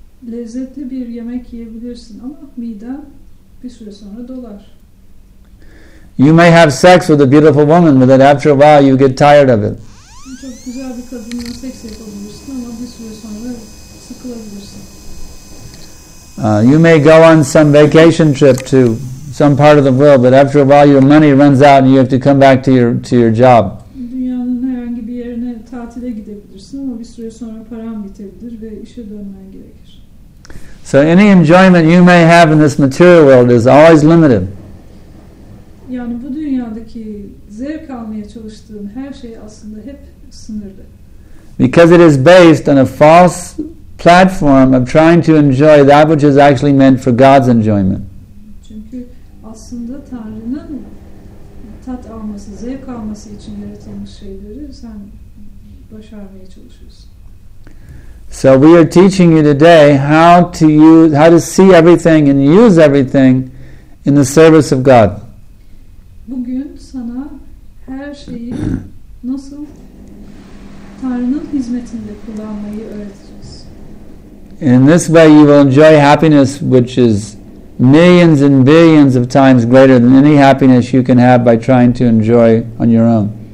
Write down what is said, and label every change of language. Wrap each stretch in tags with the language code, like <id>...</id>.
<tr>Lezzetli bir yemek yiyebilirsin ama miden bir süre sonra dolar.</tr> <en>You may have sex with a beautiful woman, but then after a while you get tired of it.</en> <tr>Çok güzel bir kadınla seks yapabilirsin ama bir süre sonra sıkılabilirsin.</tr> <en>You may go on some vacation trip to some part of the world, but after a while your money runs out and you have to come back to your job.</en> <tr>Dünyanın herhangi bir yerine tatile gidebilirsin ama bir süre sonra paran bitebilir ve işe dönmen gerekir.</tr> <en>So any enjoyment you may have in this material world is always limited.</en> <tr>Yani bu dünyadaki zevk almaya çalıştığın her şey aslında hep sınırlı.</tr> <en>Because it is based on a false platform of trying to enjoy that which is actually meant for God's enjoyment.</en> <tr>Çünkü aslında Tanrı'nın tat alması, zevk alması için yaratılmış şeyleri sen başarmaya çalışıyorsun.</tr> <en>So we are teaching you today how to see everything and use everything in the service of God.</en> <tr>Bugün sana her şeyi nasıl Tanrı'nın hizmetinde kullanmayı öğreteceğiz.</tr> <en>In this way you will enjoy happiness which is millions and billions of times greater than any happiness you can have by trying to enjoy on your own.</en>